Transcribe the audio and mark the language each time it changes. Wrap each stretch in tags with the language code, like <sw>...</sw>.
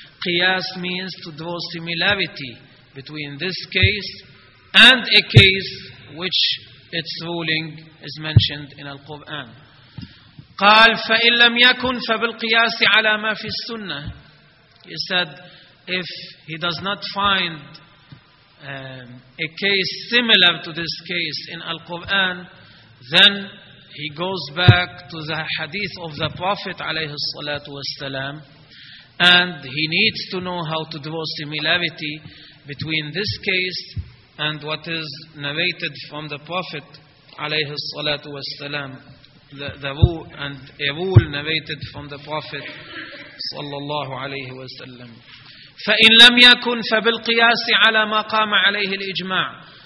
<en>Qiyas means to draw similarity between this case and a case which its ruling is mentioned in Al-Quran.</en> <ar>قال فإن لم يكن فبالقياس على ما في السنة.</ar> <en>He said, if he does not find a case similar to this case in Al-Quran, then he goes back to the hadith of the Prophet</en> <ar>alayhi salatu wasalam,</ar> <en>and he needs to know how to draw similarity between this case and what is narrated from the Prophet</en> <ar>alayhi salatu wasalam,</ar> <en>a rule narrated from the Prophet</en> <ar>sallallahu alayhi wasalam. فإن لم يكن فبالقياس على ما قام عليه الإجماع.</ar>